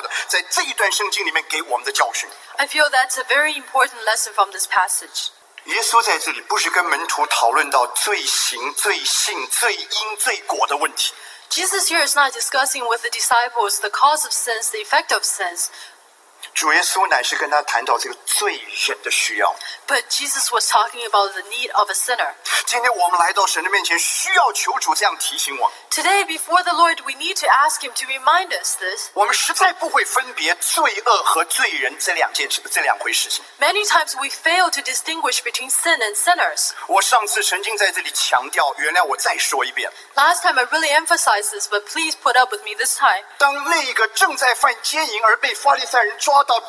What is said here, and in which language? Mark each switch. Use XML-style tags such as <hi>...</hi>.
<zh>但是呢，耶稣却把他看成一个爱的对象。我觉得这是一个非常非常重要的，在这一段圣经里面给我们的教训。</zh> <en>I feel that's a very important lesson from this passage.</en> <zh>耶稣在这里不是跟门徒讨论到罪行、罪性、罪因、罪果的问题。Jesus</zh> <en>here is not discussing with the disciples the cause of sins, the effect of sins.</en> <zh>主耶稣乃是跟他谈到这个罪人的需要。</zh> <en>But Jesus was talking about the need of a sinner.</en> <zh>今天我们来到神的面前，需要求主这样提醒我。</zh> <en>Today before the Lord, we need to ask Him to remind us this.</en> <zh>我们实在不会分别罪恶和罪人这两回事情。</zh> <en>Many times we fail to distinguish between sin and sinners.</en> <zh>我上次曾经在这里强调，原谅我再说一遍。</zh> <en>Last time I really emphasized this, but please put up with me this time.</en> <zh>当那个正在犯奸淫而被法利赛人抓</zh>